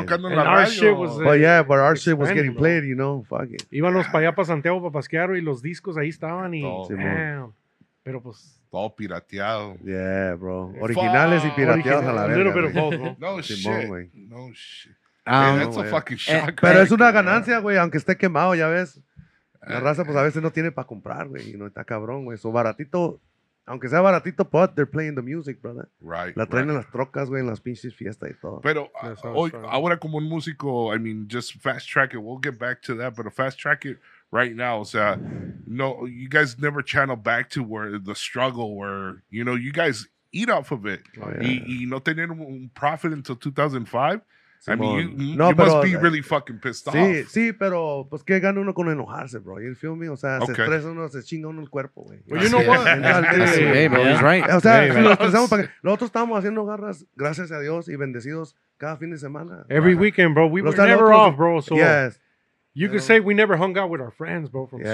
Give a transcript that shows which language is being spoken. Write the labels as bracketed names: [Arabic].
[English] No, nothing. But our shit was getting played, you know, fuck it. [Spanish] Íbamos para allá para Santiago para pasquear y los discos ahí estaban y... Pero pues... Todo pirateado. Yeah, bro. Originales y pirateados a la verga. [English] Little bit of both, bro. No shit. That's a fucking shock. [Spanish] Pero es una ganancia, güey, aunque esté quemado, ya ves. La raza, pues, a veces no tiene para comprar, güey, y no está cabrón, güey. So, baratito, aunque sea baratito, [English] but they're playing the music, brother. Right. [Spanish] La traen [English] right. [Spanish] en las trocas, güey, en las pinches fiestas y todo. Pero ahora como un músico, [English] I mean, just fast track it. We'll get back to that, but fast track it right now. [Spanish] O sea, no, [English] you guys never channel back to where the struggle where, you know, you guys eat off of it. Oh, yeah. [Spanish] Y no tener un profit until 2005. [English] Simón. I mean, you must be really fucking pissed off. [Spanish] Sí, sí, pero pues qué gana uno con enojarse, bro. [English] You feel me? [Spanish] O sea, okay. Se estresa uno, se chinga uno el cuerpo, güey. [English] Well, you know what? He's right. [Spanish] O sea, [English] yeah, right. [Spanish] Nosotros estamos haciendo garras, gracias a Dios, y bendecidos cada fin de semana. [English] Every weekend, bro. We were never off, bro. So yes. You could say we never hung out with our friends, bro, from school.